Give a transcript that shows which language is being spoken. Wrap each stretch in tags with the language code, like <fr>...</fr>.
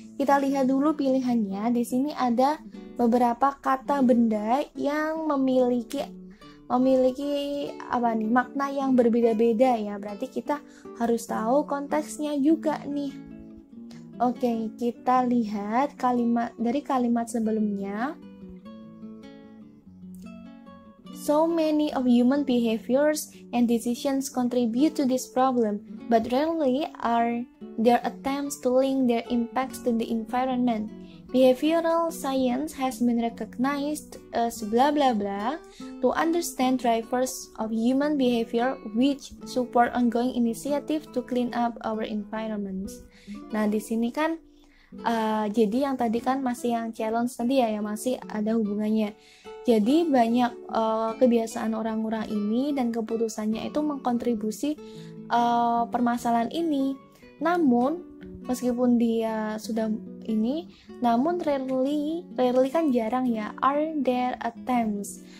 <id>Kita lihat dulu pilihannya. Di sini ada beberapa kata benda yang memiliki apa nih, makna yang berbeda-beda ya. Berarti kita harus tahu konteksnya juga nih. Oke, kita lihat kalimat dari kalimat sebelumnya.</id> <en>So many of human behaviors and decisions contribute to this problem, but rarely are there attempts to link their impacts to the environment. Behavioral science has been recognized as blah blah blah to understand drivers of human behavior which support ongoing initiative to clean up our environments.</en> <id>Nah, di sini kan jadi yang tadi kan masih yang challenge tadi ya, yang masih ada hubungannya. Jadi banyak kebiasaan orang-orang ini dan keputusannya itu mengkontribusi permasalahan ini. Namun meskipun dia sudah ini, namun rarely kan jarang ya,</id> <en>are there attempts?</en>